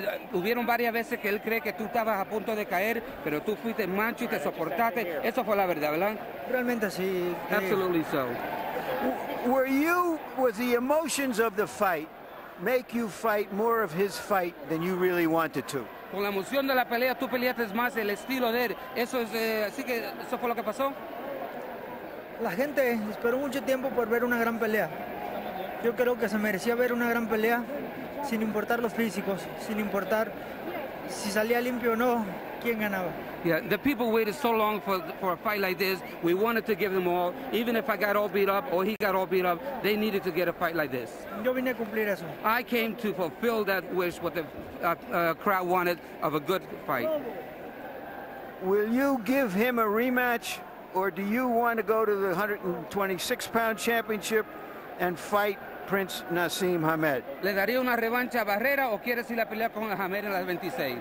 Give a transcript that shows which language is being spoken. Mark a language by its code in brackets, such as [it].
[es] Hubieron varias veces que él cree que tú estabas a punto de caer, pero tú fuiste macho y te soportaste. Eso fue la verdad, ¿verdad? Realmente sí. [en] Absolutely so. Was the emotions of the fight make you fight more of his fight than you really wanted to? [es] Con la emoción de la pelea, tú peleaste más el estilo de él. Eso es, así que, ¿eso fue lo que pasó? La gente esperó mucho tiempo por ver una gran pelea. Yo creo que se merecía ver una gran pelea, sin importar los físicos, sin importar si salía limpio o no. quién ganaba. [en] Yeah, the people waited so long for a fight like this. We wanted to give them all. Even if I got all beat up or he got all beat up, they needed to get a fight like this. [es] Yo vine a cumplir eso. [en] I came to fulfill that wish, what the crowd wanted, of a good fight. Will you give him a rematch, or do you want to go to the 126-pound championship and fight Prince Nassim Hamed? [es] ¿Le daría una revancha a Barrera o quieres ir a pelear con Hamed en las 26?